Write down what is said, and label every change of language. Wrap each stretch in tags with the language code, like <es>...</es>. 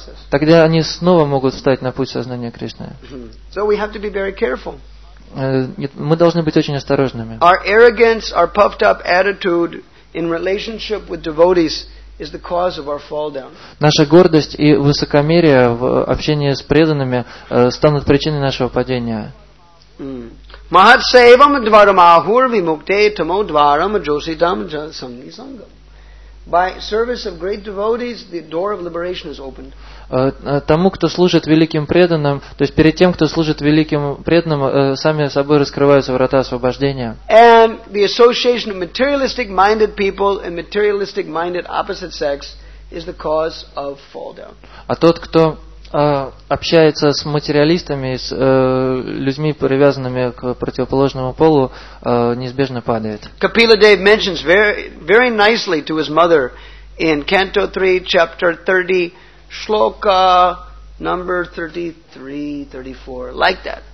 <ru>Тогда они снова могут встать на путь сознания Кришны.</ru> <en>So we have to be very careful.</en> <ru>Мы должны быть очень осторожными.</ru> <en>Our arrogance, our puffed up attitude in relationship with devotees is the cause of our fall down.</en> <ru>Наша гордость и высокомерие в общении с преданными станут причиной нашего падения.</ru> <sa>Mahat sevam dvaram ahur vimukte tamo dvaram jositam jasangi sangam.</sa> <en>By service of great devotees, the door of liberation is opened.</en> <ru>Тому, кто служит великим преданным, то есть перед тем, кто служит великим преданным, сами собой раскрываются врата освобождения.</ru> <en>And the association of materialistic minded people and materialistic minded opposite sex is the cause of fall down.</en> <ru>А тот, кто общается с материалистами, с людьми, привязанными к противоположному полу, неизбежно падает.</ru> <en>Kapila Dev mentions very, very nicely to his mother in Canto 3, Chapter 30, Shloka number 33-34, like that.</en>